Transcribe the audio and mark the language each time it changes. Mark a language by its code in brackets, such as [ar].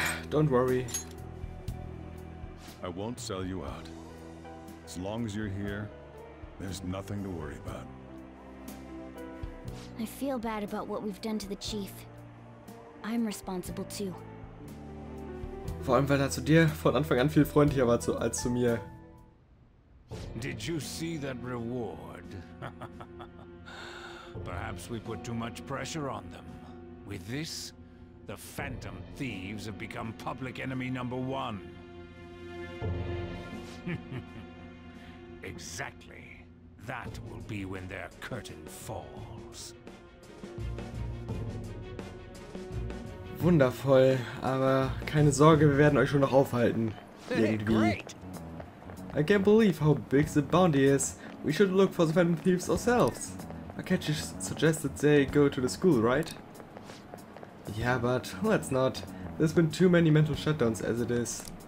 [en] Don't worry. I won't sell you out. As long as you're here, there's nothing to worry about. I feel bad about what we've done to the chief. I'm responsible too. [de] Vor allem, weil er zu dir von Anfang an viel freundlicher war als zu mir. [en] Did you see that reward? Perhaps we put too much pressure on them. With this, the Phantom Thieves have become public enemy number one. Exactly. That will be when their curtain falls. [de] Wundervoll, aber keine Sorge, wir werden euch schon noch aufhalten. Irgendwie. [en] I can't believe how big the bounty is. We should look for the Phantom Thieves ourselves. Akechi suggested they go to the school, right? Yeah, but let's not. There's been too many mental shutdowns as it is.